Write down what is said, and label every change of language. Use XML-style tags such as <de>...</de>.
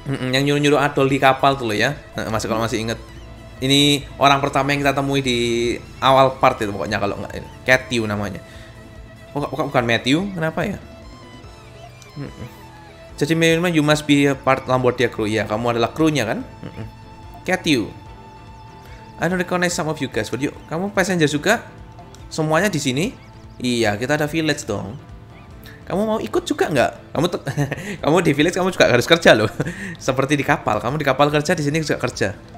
<id>Yang nyuruh-nyuruh Adol di kapal tuh lo ya, masih kalau masih inget. Ini orang pertama yang kita temui di awal part itu pokoknya kalau nggak Matthew namanya. Bukan Matthew, kenapa ya? Jadi memang</id> <en>you must be a part Lombardia crew</en> <id>ya. Kamu adalah crew-nya kan? Matthew.</id> <en>I don't recognize some of you guys, but</en> <id>yuk, kamu passenger juga? Semuanya di sini? Iya, kita ada village dong. Kamu mau ikut juga nggak? Kamu di village kamu juga harus kerja loh. Seperti di kapal, kamu di kapal kerja, di sini juga kerja.</id>